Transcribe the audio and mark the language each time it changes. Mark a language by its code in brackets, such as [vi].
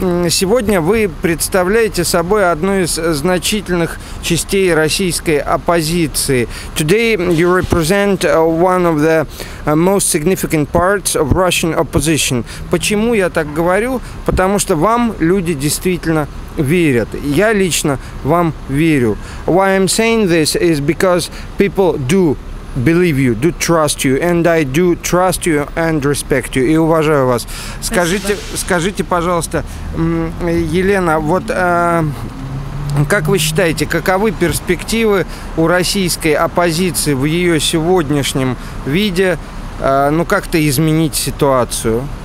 [ru] Сегодня вы представляете собой одну из значительных частей российской оппозиции. [en] Today you represent one of the most significant parts of Russian opposition. [ru] Почему я так говорю? Потому что вам люди действительно верят. Я лично вам верю. [en] Why I'm saying this is because people do believe you, do trust you, and I do trust you and respect you. [ru] И уважаю вас. Скажите, пожалуйста, Елена, вот как вы считаете, каковы перспективы у российской оппозиции в ее сегодняшнем виде? Ну, как-то изменить ситуацию?